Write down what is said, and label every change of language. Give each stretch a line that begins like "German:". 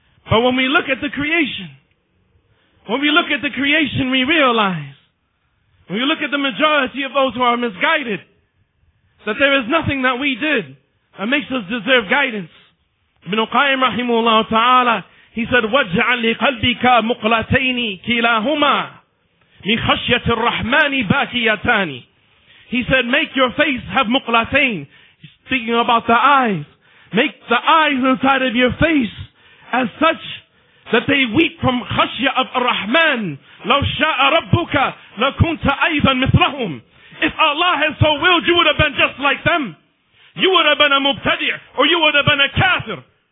English: But when we look at the creation, we realize, when we look at the majority of those who are misguided, that there is nothing that we did that makes us deserve guidance.
Arabic: Ibn Qayyim rahimahullah ta'ala,
English: he said,
Arabic: وَجْعَلْ لِقَلْبِكَ مُقْلَتَيْنِ كِلَاهُمَا مِنْ خَشْيَةِ الرَّحْمَانِ بَاكِيَتَانِ.
English: He said, make your face have muqlatayn. Speaking about the eyes. Make the eyes inside of your face as such that they weep from
Arabic: خَشْيَةِ
English: of الرَّحْمَانِ.
Arabic: لَوْ شَاءَ رَبُّكَ لَكُنْتَ أَيْضًا مِثْلَهُمْ.
English: If Allah had so willed, you would have been just like them. You would have been a mubtadi' or you would have been a kafir.